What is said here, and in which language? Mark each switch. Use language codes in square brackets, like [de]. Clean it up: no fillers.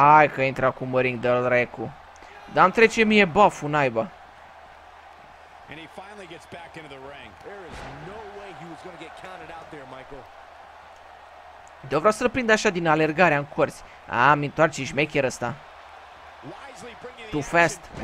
[ro] Hai că intră acum în ring, dă-l dracu. Dar îmi trece mie buff-ul, naiba. [en] And he finally gets back into the ring. There is no way he was going to get counted out there, Michael. [ro] Eu vreau să-l prind așa din alergarea în corzi. Am întoarce și șmecher ăsta. [en] Too fast.